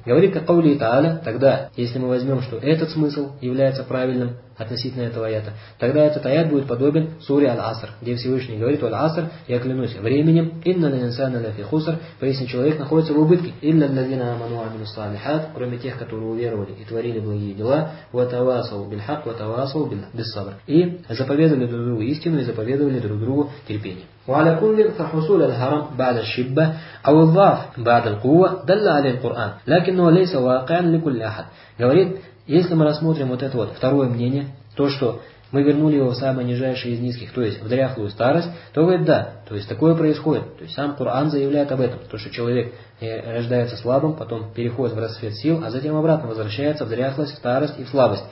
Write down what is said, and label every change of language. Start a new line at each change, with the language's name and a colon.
Russian: Говорит Каули Тааля, тогда, если мы возьмем, что этот смысл является правильным относительно этого аята, тогда этот аят будет подобен суре Аль-Аср, где Всевышний говорит: «Аль-Аср, я клянусь временем,
Arabic: инна ль-инсана ля-фи хуср»,
Russian: поистине человек находится в убытке,
Arabic: «Илля ль-лязина аману амину салихат»,
Russian: кроме тех, которые уверовали и творили благие дела,
Arabic: «ва-тавасау биль-хак, ва-тавасау бис-сабр»,
Russian: и заповедовали друг другу истину и заповедовали друг другу терпение.
Arabic: وعلى كل فحصول الهرم بعد الشبة أو الضعف بعد القوة دل عليه القرآن لكنه ليس واقعا لكل أحد.
Russian: Говорит, если мы рассмотрим вот это вот второе мнение, то что мы вернули его в самое нижайшее из низких, то есть в дряхлую старость, то говорит, да, то есть такое происходит. То есть сам Коран заявляет об этом, то что человек рождается слабым, потом переходит в расцвет сил, а затем обратно возвращается в дряхлость, в старость и в слабость.